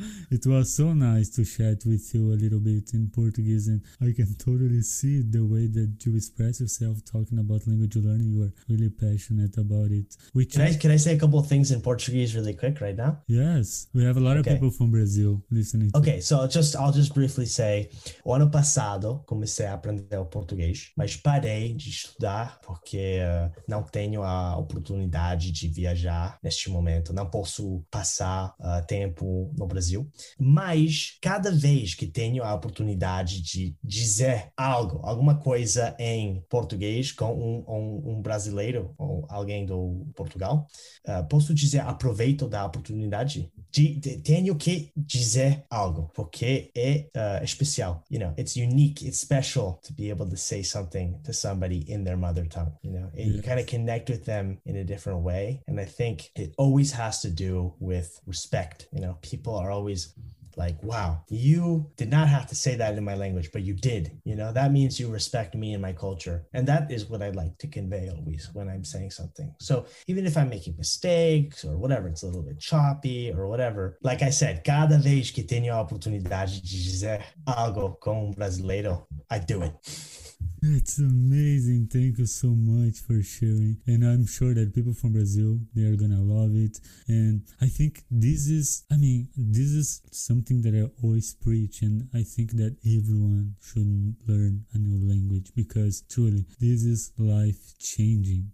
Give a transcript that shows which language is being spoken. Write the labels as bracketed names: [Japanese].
[English] It was so nice to chat with you a little bit in Portuguese, and I can totally see the way that you express yourself talking about language learning. You are really passionate about it. Can I say a couple of things in Portuguese really quick right now? Yes. We have a lot of people from Brazil listening. Okay, so I'll just briefly say, [Portuguese] o ano passado comecei a aprender o português, mas parei de estudar porque não tenho a oportunidade de viajar neste momento. Não posso passar tempo no Brasil. Mas cada vez que tenho a oportunidade de dizer algo, alguma coisa em português com um brasileiro ou alguém do Portugal, posso dizer aproveito da oportunidade. Tenho que dizer algo, porque é especial. [English] You know, it's unique, it's special to be able to say something to somebody in their mother tongue. You know, and you kind of connect with them in a different way. And I think it always has to do with respect. You know, people are always like, wow, you did not have to say that in my language, but you did. You know, that means you respect me and my culture. And that is what I like to convey always when I'm saying something. So even if I'm making mistakes or whatever, it's a little bit choppy or whatever. Like I said, [Portuguese] cada vez que tenho a oportunidade de dizer algo com um brasileiro, [English] I do it. That's amazing. Thank you so much for sharing. And I'm sure that people from Brazil, they are gonna love it. And I think this is, I mean, this is something that I always preach. And I think that everyone should learn a new language, because truly, this is life changing.